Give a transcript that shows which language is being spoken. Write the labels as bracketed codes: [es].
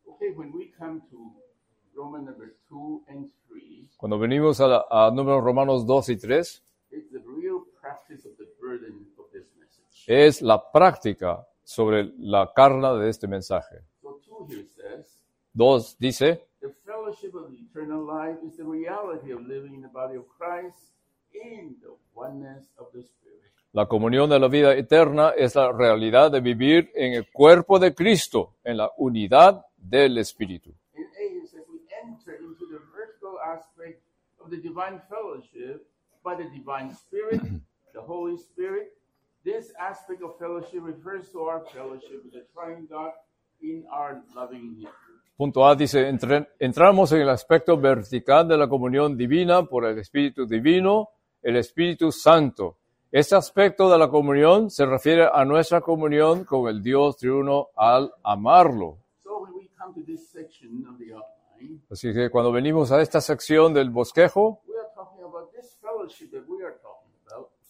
[en] Okay, when we come to Roman number 2 and 3. [es] Cuando venimos a números Romanos 2 y 3. [en] It's the real practice of the burden of this message. [es] Es la práctica sobre la carga de este mensaje. [en] So 2 here says. [es] 2 dice. [en] The fellowship of the eternal life is the reality of living in the body of Christ in the oneness of the Spirit. [es] La comunión de la vida eterna es la realidad de vivir en el cuerpo de Cristo, en la unidad del Espíritu. [en] In A, it says we enter into the vertical aspect of the divine fellowship by the divine Spirit, the Holy Spirit. This aspect of fellowship refers to our fellowship with the triune God in our loving Him. [es] Punto A dice, entramos en el aspecto vertical de la comunión divina por el Espíritu Divino, el Espíritu Santo. Este aspecto de la comunión se refiere a nuestra comunión con el Dios triuno al amarlo. [en] So when we come to this section of the outline, [es] así que cuando venimos a esta sección del bosquejo, [en] we are talking about this fellowship that we are talking about.